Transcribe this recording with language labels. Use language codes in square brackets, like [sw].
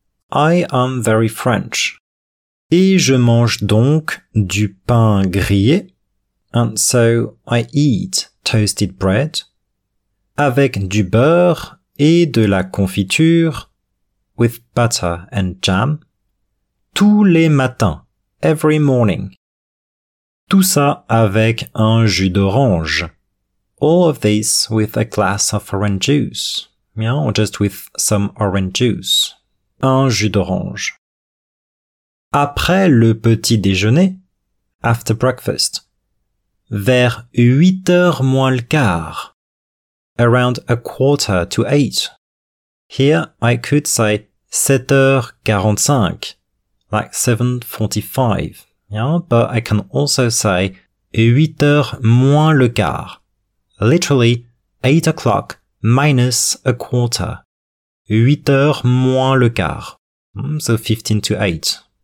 [en] I am very French. [fr] Et je mange donc du pain grillé, [en] and so I eat toasted bread, [fr] avec du beurre et de la confiture, [en] with butter and jam, [fr] tous les matins, [en] every morning. [fr] Tout ça avec un jus d'orange. [en] All of this with a glass of orange juice, yeah, or just with some orange juice. [fr] Un jus d'orange. Après le petit déjeuner, [en] after breakfast, [fr] vers 8h moins le quart, [en] around a quarter to 8. Here I could say 7h45, like 7:45, yeah? But I can also say [fr] 8h moins le quart, [en] literally 8 o'clock minus a quarter, 8h moins le quart, so 15 to 8.